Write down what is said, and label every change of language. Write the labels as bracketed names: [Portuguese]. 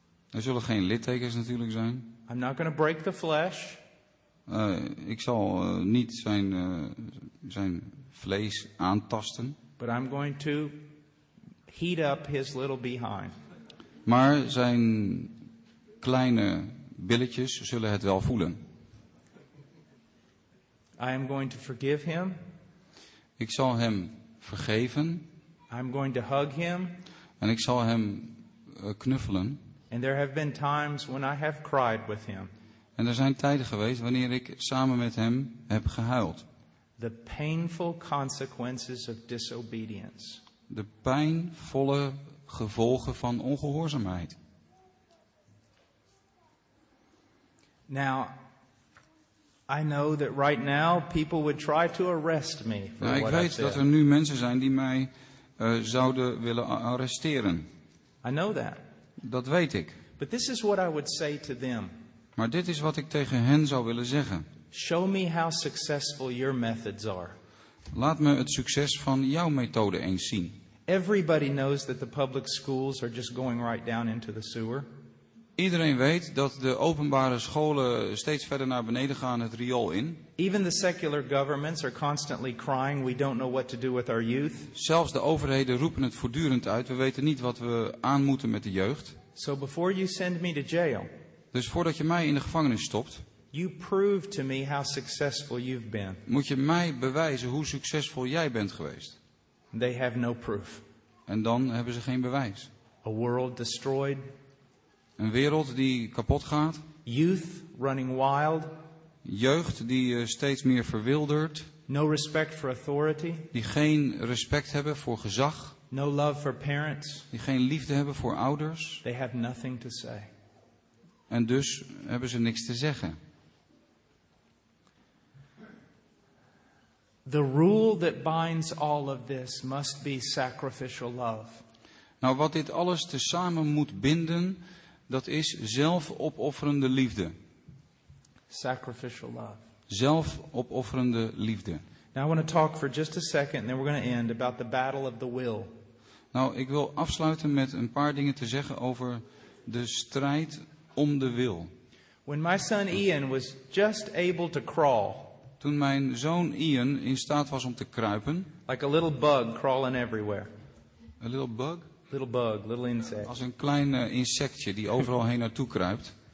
[Dutch] Er zullen geen littekens natuurlijk zijn. [English] I'm not going to break the flesh. [Dutch] Ik zal niet zijn vlees aantasten. [English] But I'm going to heat up his little behind. [Dutch] Maar zijn kleine billetjes zullen het wel voelen. [English] I am going to forgive him. [Dutch] Ik zal hem vergeven. [English] I'm going to hug him. [Dutch] En ik zal hem knuffelen. [English] And there have been times when I have cried with him. [Dutch] En er zijn tijden geweest wanneer ik samen met hem heb gehuild. [English] The painful consequences of disobedience. [Dutch] De pijnvolle gevolgen van ongehoorzaamheid. [English] Now, I know that right now people would try to arrest me for what I said. [Dutch] Ik weet dat er nu mensen zijn die mij zouden willen arresteren. [English] I know that. [Dutch] Dat weet ik. [English] But this is what I would say to them. [Dutch] Maar dit is wat ik tegen hen zou willen zeggen. [English] Show me how successful your methods are. [Dutch] Laat me het succes van jouw methode eens zien. [English] Everybody knows that the public schools are just going right down into the sewer. [Dutch] Iedereen weet dat de openbare scholen steeds verder naar beneden gaan het riool in. [English] Even the secular governments are constantly crying, we don't know what to do with our youth. [Dutch] Zelfs de overheden roepen het voortdurend uit, we weten niet wat we aan moeten met de jeugd. [English] So before you send me to jail. [Dutch] Dus voordat je mij in de gevangenis stopt. [English] You prove to me how successful you've been. [Dutch] Moet je mij bewijzen hoe succesvol jij bent geweest. [English] They have no proof. [Dutch] En dan hebben ze geen bewijs. [English] A world destroyed. [Dutch] Een wereld die kapot gaat. [English] Youth running wild. [Dutch] Jeugd die steeds meer verwildert. [English] No respect for authority. [Dutch] Die geen respect hebben voor gezag. [English] No love for parents. [Dutch] Die geen liefde hebben voor ouders. [English] They have nothing to say. [Dutch] En dus hebben ze niks te zeggen. [English] The rule that binds all of this must be sacrificial love. [Dutch] Nou, wat dit alles tezamen moet binden, dat is zelfopofferende liefde. [English] Sacrificial love. [Dutch] Zelfopofferende liefde. [English] Now I want to talk for just a second, and then we're going to end about the battle of the will. [Dutch] Nou, ik wil afsluiten met een paar dingen te zeggen over de strijd om de wil. [English] When my son Ian was just able to crawl. [Dutch] Toen mijn zoon Ian in staat was om te kruipen. [English] Like a little bug crawling everywhere. A little bug? Little bug, little insect. [Dutch] Als een klein insectje die overal heen naartoe kruipt.